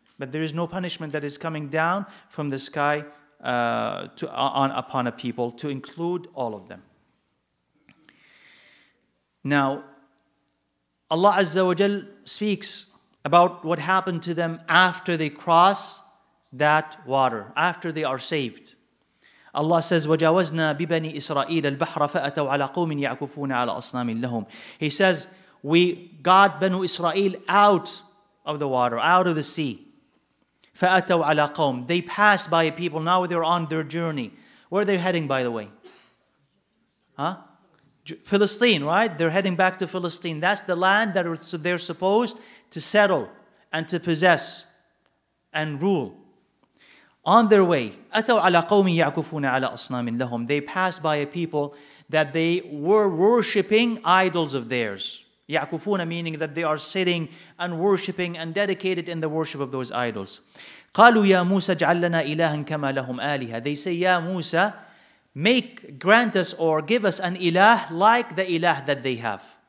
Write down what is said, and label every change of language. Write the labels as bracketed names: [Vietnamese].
[English] But there is no punishment that is coming down from the sky upon a people, to include all of them. Now, Allah Azza wa Jal speaks about what happened to them after they cross that water, after they are saved. Allah says, [Arabic] وَجَاوَزْنَا بِبَنِي إِسْرَائِيلَ الْبَحْرَ فَأَتَوْ عَلَىٰ قُومٍ يَعْكُفُونَ عَلَىٰ أَصْنَامٍ لَهُمْ. [English] He says, we got Banu Israel out of the water, out of the sea. [Arabic] فَأَتَوْ عَلَىٰ قَوْمٍ. [English] They passed by a people. Now they're on their journey. Where are they heading, by the way? Huh? Palestine, right? They're heading back to Palestine. That's the land that they're supposed to settle and to possess and rule. On their way, [Arabic] أَتَوْ عَلَىٰ قَوْمٍ يَعْكُفُونَ عَلَىٰ أَصْنَامٍ لَهُمْ. [English] They passed by a people that they were worshipping idols of theirs. يَعْكُفُونَ meaning that they are sitting and worshipping and dedicated in the worship of those idols. [Arabic] قَالُوا يَا مُوسَى اجْعَلْ لَنَا إِلَهًا كَمَا لَهُمْ آلِهَةً. [English] They say, [Arabic] يَا مُوسَى, [English] make, grant us or give us an ilah like the ilah that they have.